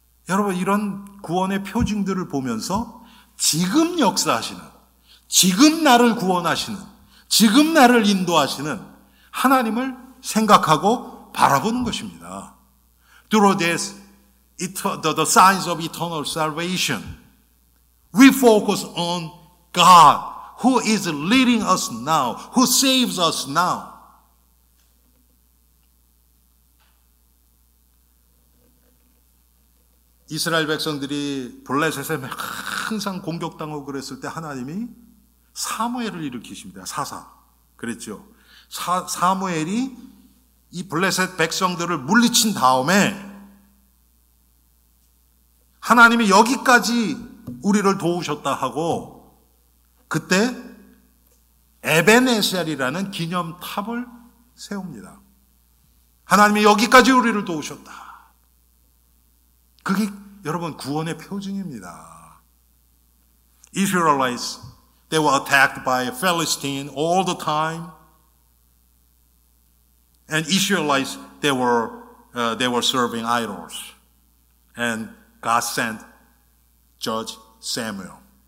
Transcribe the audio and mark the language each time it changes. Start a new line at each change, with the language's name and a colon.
Korean: 여러분, 이런 구원의 표징들을 보면서 지금 역사하시는, 지금 나를 구원하시는, 지금 나를 인도하시는 하나님을 생각하고 바라보는 것입니다.
English: Through this, the signs of eternal salvation, we focus on God who is leading us now, who saves us now.
Korean: 이스라엘 백성들이 블레셋에 항상 공격당하고 그랬을 때 하나님이 사무엘을 일으키십니다. 사사. 그랬죠. 사무엘이 이 블레셋 백성들을 물리친 다음에 하나님이 여기까지 우리를 도우셨다 하고 그때 에벤에셀이라는 기념탑을 세웁니다. 하나님이 여기까지 우리를 도우셨다. 그게 여러분, 구원의 표징입니다.
English: Israelites, they were attacked by Philistines all the time. And Israelites, they were serving idols. And God sent Judge Samuel.